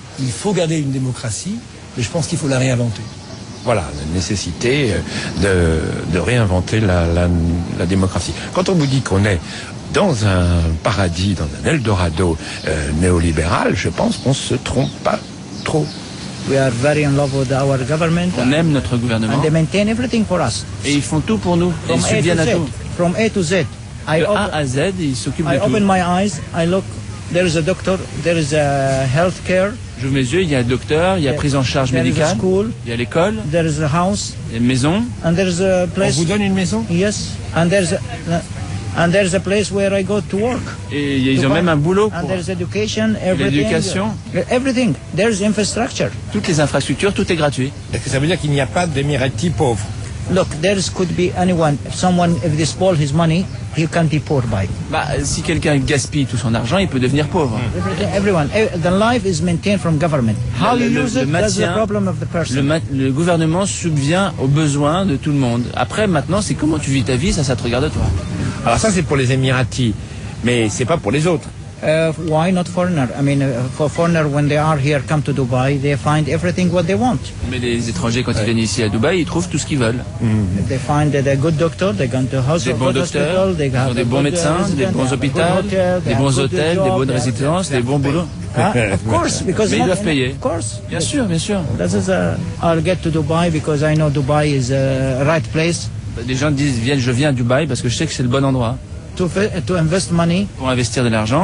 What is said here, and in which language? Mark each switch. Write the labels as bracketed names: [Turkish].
[French] Il faut garder une démocratie, mais je pense qu'il faut la réinventer. Voilà, la nécessité de réinventer la démocratie. Quand on vous dit qu'on est dans un paradis, dans un Eldorado néolibéral, je pense qu'on se trompe pas trop. [English] We are very in love with our government. [French] On aime notre gouvernement. [English] And they maintain everything for us. [French] Et ils font tout pour nous. Ils subviennent à tout. [English] From A to Z. [French] De A à Z, ils s'occupent de tout. [English] I open my eyes, I look, there is a doctor, there is a healthcare. [French] J'ouvre mes yeux, il y a un docteur, il y a prise en charge médicale. [English] There is a school. [French] Il y a l'école. [English] There is a house. [French] Il y a une maison. [English] And there is a place. [French] On vous donne une maison? [English] Yes. And there's a place where I go to work. [French] Et ils ont même un boulot. [English] And there's education, everything. [French] L'éducation. [English] Everything. There's infrastructure. [French] Toutes les infrastructures, tout est gratuit. Est-ce que ça veut dire qu'il n'y a pas d'Emirati pauvre? [English] Look, there could be anyone. Someone, if they spoil his money, he can be poor by. [French] Bah, si quelqu'un gaspille tout son argent, il peut devenir pauvre. [English] Everyone, the life is maintained from government. How you use it, that's the problem of the person. [French] Le gouvernement subvient aux besoins de tout le monde. Après, maintenant, c'est comment tu vis ta vie, ça te regarde toi. Alors ça, c'est pour les Émiratis, mais c'est pas pour les autres. [English] Why not foreigner? I mean, for foreigner, when they are here, come to Dubai, they find everything what they want. [French] Mais les étrangers, quand ils viennent ici à Dubaï, ils trouvent tout ce qu'ils veulent. Mm. [English] They find that a good doctor, they go to hospital. [French] Des bons docteurs, [English] hospital, they have [French] des bons médecins, des bons hôpitaux, des bons hôtels, job, des bonnes résidences, des bons boulots. [English] Of course, because [French] ils doivent payer. [English] Of course. [French] Bien sûr, bien sûr. [English] This is I'll get to Dubai because I know Dubai is the right place. [French] Des gens disent, viens, je viens à Dubaï parce que je sais que c'est le bon endroit. [English] To invest money, [French] pour investir de l'argent